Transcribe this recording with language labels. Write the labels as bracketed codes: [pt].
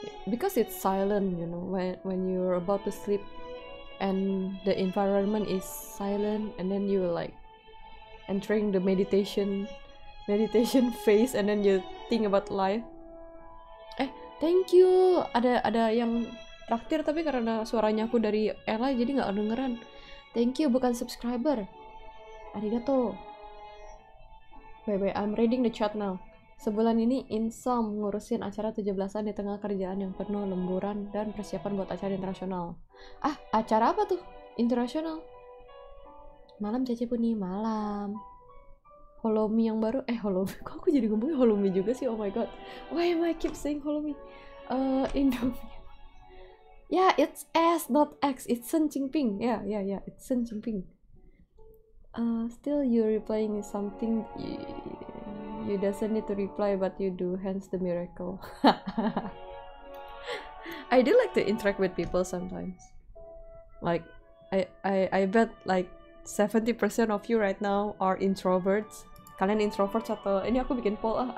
[en] Because it's silent, you know, when you're about to sleep and the environment is silent and then you're like entering the meditation phase and then you think about life. Thank you! [id] Ada yang traktir tapi karena suaranya aku dari Ella jadi gak kedengeran. [en] Thank you, [id] bukan [en] subscriber. [ja] Arigato. [en] Bye-bye, I'm reading the chat now. [id] Sebulan ini insom ngurusin acara 17-an di tengah kerjaan yang penuh lemburan dan persiapan buat acara internasional. Ah, acara apa tuh? Internasional? Malam Cece Puni, malam. Holomi yang baru, Holomi. Kok aku jadi ngomongin Holomi juga sih? [en] Oh my god. Why am I keep saying Holomi? Indomie. Yeah, it's S, not X. It's Sen Qing Ping. Yeah. It's Sen Qing Ping. Still, you're replying something you doesn't need to reply, but you do. Hence the miracle. I do like to interact with people sometimes. Like, I bet like 70% of you right now are introverts. [id] Kalian introverts atau ini aku bikin poll.